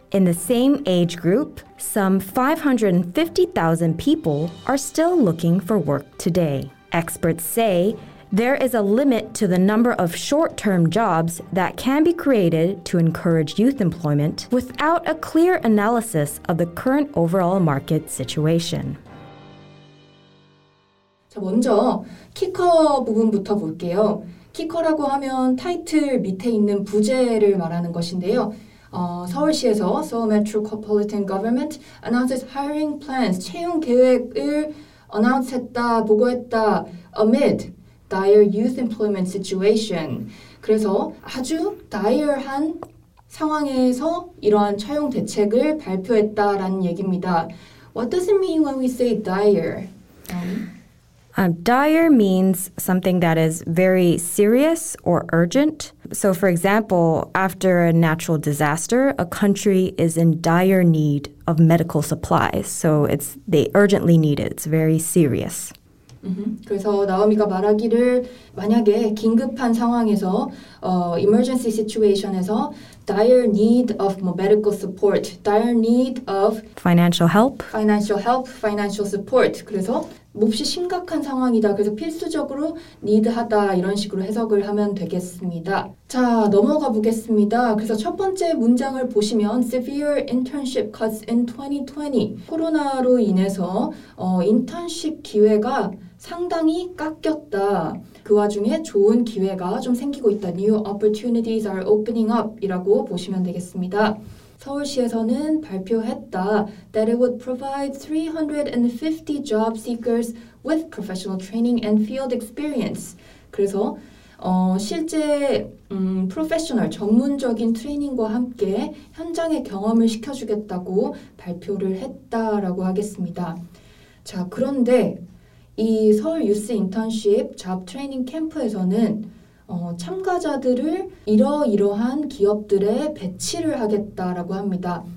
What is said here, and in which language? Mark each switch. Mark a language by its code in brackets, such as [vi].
[en] In the same age group, some 550,000 people are still looking for work today. Experts say there is a limit to the number of short-term jobs that can be created to encourage youth employment without a clear analysis of the current overall market situation. [ko] 먼저 키커 부분부터 볼게요. 키커라고 하면 타이틀 밑에 있는 부제를 말하는 것인데요. 서울시에서 [en] Seoul Metropolitan Government announces hiring plans, [ko] 채용 계획을 [en] announce [ko] 했다, 보고했다, [en] amid dire youth employment situation. [ko] 그래서 아주 dire한 상황에서 이러한 채용 대책을 발표했다라는 얘기입니다. [en] What does it mean when we say dire? Dire means something that is very serious or urgent. So, for example, after a natural disaster, a country is in dire need of medical supplies. So they urgently need it. It's very serious. Mm-hmm. [ko] 그래서 나오미가 말하기를 만약에 긴급한 상황에서 [en] emergency situation에서 dire need of medical support, dire need of financial support. [ko] 그래서 몹시 심각한 상황이다. 그래서 필수적으로 need하다 이런 식으로 해석을 하면 되겠습니다. 자, 넘어가 보겠습니다. 그래서 첫 번째 문장을 보시면 [en] severe internship cuts in 2020. [ko] 코로나로 인해서 인턴십 기회가 상당히 깎였다. 그 와중에 좋은 기회가 좀 생기고 있다. [en] New opportunities are opening up [ko] 이라고 보시면 되겠습니다. 서울시에서는 발표했다. [en] That it would provide 350 job seekers with professional training and field experience. [ko] 그래서 실제 프로페셔널, 전문적인 트레이닝과 함께 현장의 경험을 시켜주겠다고 발표를 했다라고 하겠습니다. 자, 그런데 이 서울 유스 인턴십 잡 트레이닝 캠프에서는 참가자들을 이러이러한 기업들에 배치를 하겠다라고 합니다.